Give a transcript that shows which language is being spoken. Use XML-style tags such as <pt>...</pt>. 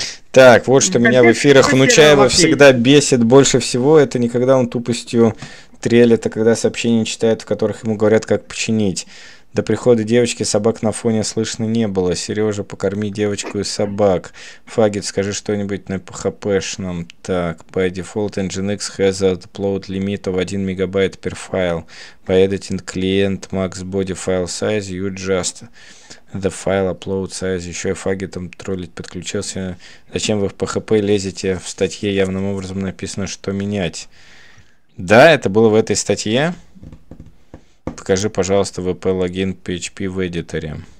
<ru>Так, вот что меня в эфирах Внучаева всегда бесит больше всего, это не когда он тупостью трелит, а когда сообщения читает, в которых ему говорят, как починить. До прихода девочки собак на фоне слышно не было. Сережа, покорми девочку и собак. Фагет, скажи что-нибудь на PHP-шном.</ru> <en>Так, by default Nginx has a upload limit of 1 MB per file. By editing client max body file size, you just... The file upload size,</en> <ru>еще и фагетом троллить подключился. Зачем вы в PHP лезете? В статье явным образом написано, что менять. Да, это было в этой статье. Покажи, пожалуйста, VP-логин PHP в эдиторе.</ru>